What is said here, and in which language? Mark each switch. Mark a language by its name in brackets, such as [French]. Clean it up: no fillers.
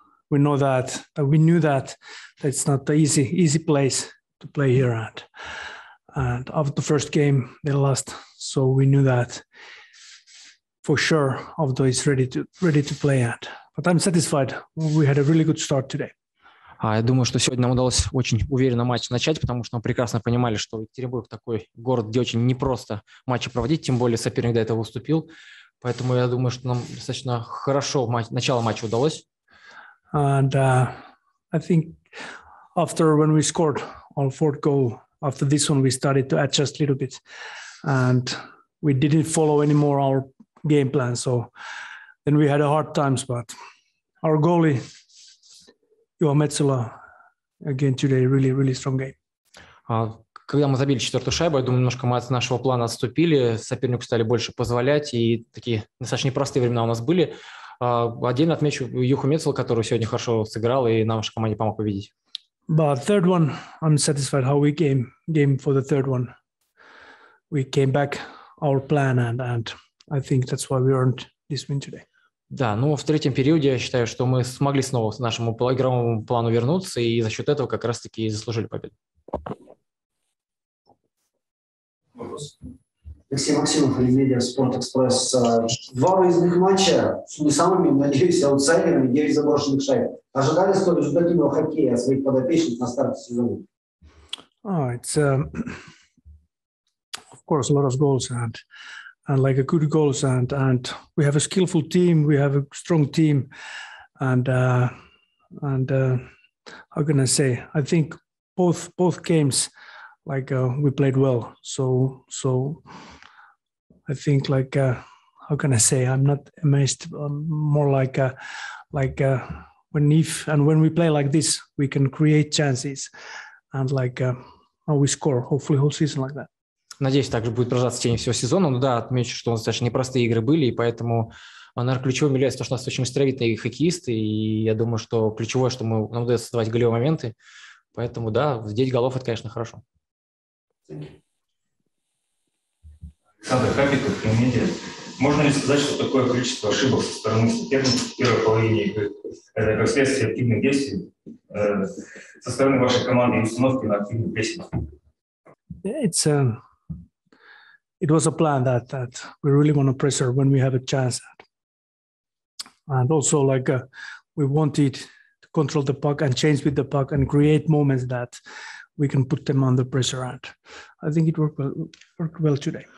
[English] We know that, we knew that it's not the easy place to play here at. And after the first game, they lost. So we knew that for sure, Avto is ready to play at. But I'm satisfied. We had a really good start today. [Russian] Я думаю, что сегодня нам удалось очень уверенно матч начать, потому что мы прекрасно понимали, что Екатеринбург такой город, где очень непросто матчи проводить, тем более соперник до этого уступил. Поэтому я думаю, что нам достаточно хорошо начало матча удалось. [English] And I think after when we scored our fourth goal, after this one we started to adjust a little bit. And we didn't follow anymore our game plan. So then we had a hard times, but our goalie... Your Metsola again today, really, really strong game. [Russian] Когда мы забили четвертую шайбу, я думаю, немножко мы от нашего плана отступили, сопернику стали больше позволять, и такие достаточно непростые времена у нас были. Отдельно отмечу Юху Метсола, который сегодня хорошо сыграл и нам в нашей команде помог победить. [English] But third one, I'm satisfied how we came for the third one. We came back our plan and I think that's why we earned this win today. [Russian] Да, ну в третьем периоде я считаю, что мы смогли снова к нашему игровому плану вернуться и за счет этого как раз-таки и заслужили победу. Вопрос. Алексей Максимов, Олимедиа, Спорт Экспресс. Два выездных матча с не самыми, надеюсь, аутсайдерами, 9 заброшенных шайб. Ожидали столь результативного хоккея от своих подопечных на старте сезона? [English] Oh, it's, of course, a lot of goals and... And like a good goals and we have a skillful team, we have a strong team, and how can I say? I think both games, like we played well. So I think like how can I say? I'm not amazed. More like when if and when we play like this, we can create chances, and like we score. Hopefully, whole season like that. [Russian] Надеюсь, также будет продолжаться в течение всего сезона. Но да, отмечу, что у нас достаточно непростые игры были, и поэтому, наверное, ключевым является то, что у нас очень быстровитые хоккеисты, и я думаю, что ключевое, что нам удается создавать голевые моменты. Поэтому да, 9 голов – это, конечно, хорошо. Александр Хабиков, Медиа. Можно ли сказать, что такое количество ошибок со стороны соперников в первой половине игры? Это как следствие активных действий со стороны вашей команды и установки на активных действиях? [English] It was a plan that we really want to pressure when we have a chance. And also like we wanted to control the puck and change with the puck and create moments that we can put them under pressure at. I think it worked well today.